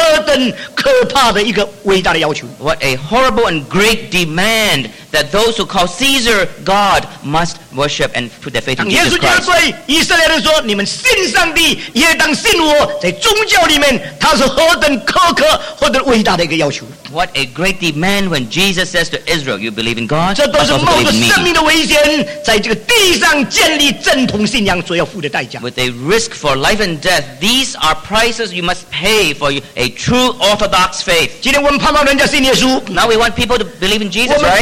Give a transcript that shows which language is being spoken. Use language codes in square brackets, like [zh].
[zh] 在政治界，他要求那些对凯撒认为是上帝的人要称他为主，这是何等可怕的一个伟大的要求！ [en] What a horrible and great demand that those who call Caesar God must worship and put their faith in Jesus Christ. [zh] 当耶稣就对以色列人说：“你们信上帝，也当信我。”在宗教里面，他是何等苛刻、何等伟大的一个要求！ [en] What a great demand when Jesus says to Israel, you believe in God, but also believe in me. With a risk for life and death, these are prices you must pay for a true orthodox faith. Now we want people to believe in Jesus, right?